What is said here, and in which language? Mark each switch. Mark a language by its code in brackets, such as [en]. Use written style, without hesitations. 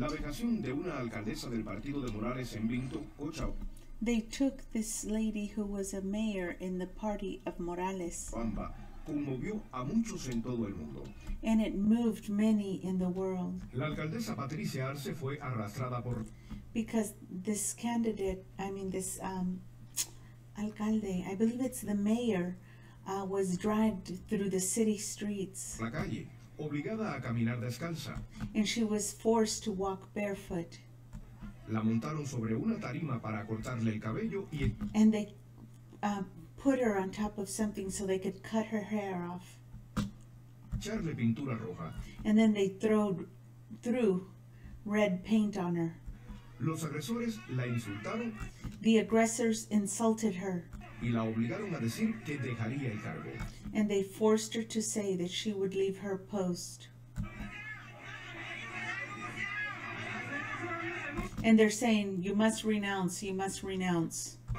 [es] La vejación de una alcaldesa del partido de Morales en Vinto, Cochao. [en] They took this lady who was a mayor in the party of Morales. [es] Pamba conmovió a muchos en todo el mundo. [en] And it moved many in the world. [es] La alcaldesa Patricia Arce fue arrastrada por. [en] Because this candidate, I mean this alcalde, I believe it's the mayor, was dragged through the city streets. [es] La calle, obligada a caminar descalza. [en] And she was forced to walk barefoot. [es] La montaron sobre una tarima para cortarle el cabello y el. [en] And they put her on top of something so they could cut her hair off. [es] Echarle pintura roja. [en] And then they threw red paint on her. [es] Los agresores la insultaron. [en] The aggressors insulted her. [es] Y la obligaron a decir que dejaría el cargo. [en] And they forced her to say that she would leave her post. And they're saying, you must renounce, you must renounce.